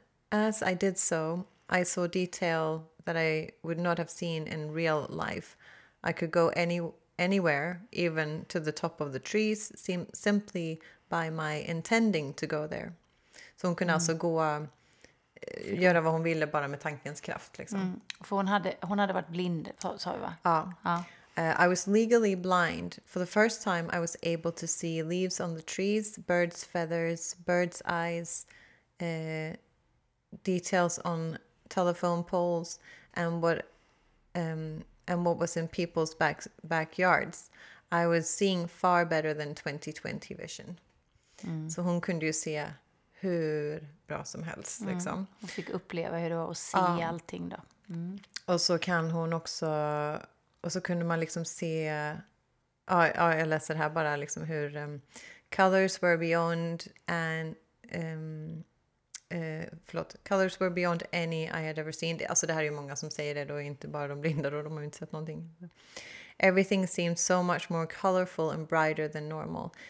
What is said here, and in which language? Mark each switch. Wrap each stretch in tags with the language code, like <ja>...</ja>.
<en>As I did so, I saw detail that I would not have seen in real life. I could go anywhere, even to the top of the trees, simply by my intending to go there.</en> <sv>Så hon kunde alltså gå och göra vad hon ville bara med tankens kraft. Liksom. Mm. För hon hade varit blind, sa vi va?</sv> <en>Ja. I was legally blind. For the first time I was able to see leaves on the trees, birds' feathers, birds' eyes, details on telephone poles and what was in people's backyards. I was seeing far better than 20/20 vision. Mm.</en> <sv>Så hon kunde ju se hur bra som helst. Mm. Liksom. Hon fick uppleva hur det var att se allting då. Mm. Och så kan hon också, och så kunde man liksom se, jag läser här bara liksom hur</sv> <en>colors were beyond any I had ever seen.</en> <sv>Alltså det här är ju många som säger det då, inte bara de blinda då, de har ju inte sett någonting.</sv> <en>Everything seemed so much more colorful and brighter than normal.</en>